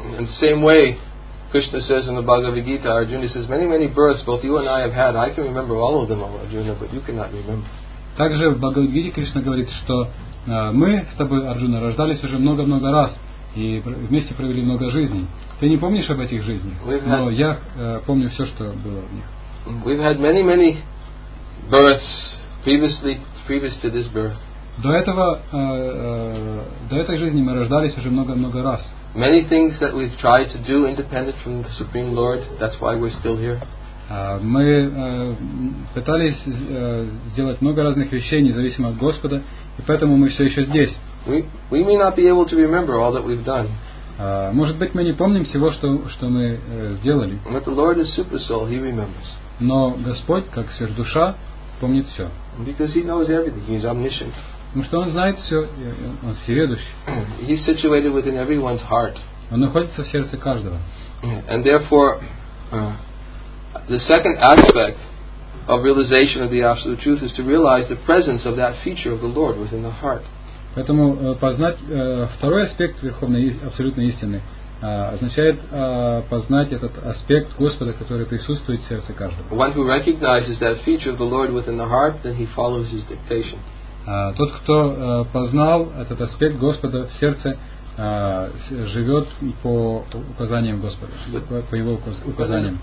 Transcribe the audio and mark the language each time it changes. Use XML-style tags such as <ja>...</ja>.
<en>In the same way, Krishna says in the Bhagavad Gita, Arjuna says, many, many births both you and I have had. I can remember all of them, Arjuna, but you cannot remember.</en> <ru>Также в Бхагавад Гите Кришна говорит, что мы с тобой, Арджуна, рождались уже много-много раз и вместе провели много жизней. Ты не помнишь об этих жизнях, но я помню все, что было в них.</ru> <en>We've had many, many births previous to this birth.</en> <ru>До этого, до этой жизни мы рождались уже много-много раз.</ru> <en>Many things that we've tried to do independent from the Supreme Lord, that's why we're still here.</en> <ru>Мы пытались сделать много разных вещей, независимо от Господа, и поэтому мы все еще здесь.</ru> <en>We may not be able to remember all that we've done.</en> <ru>Может быть, мы не помним всего, что мы сделали.</ru> <en>But the Lord is super soul, he remembers.</en> <ru>Но Господь, как сверхдуша, помнит все.</ru> <en>Because he knows everything, he's omniscient.</en> <ru>Потому что он знает все, он всеведущий.</ru> <en>He's situated within everyone's heart.</en> <ru>Он находится в сердце каждого.</ru> <en>And therefore, the second aspect of realization of the absolute truth is to realize the presence of that feature of the Lord within the heart.</en> <ru>Поэтому познать второй аспект верховной абсолютной истины означает познать этот аспект Господа, который присутствует в сердце каждого.</ru> <en>One who recognizes that feature of the Lord within the heart, then he follows his dictation.</en> <ru>Тот, кто познал этот аспект Господа в сердце, живет по указаниям Господа, по его указаниям.</ru>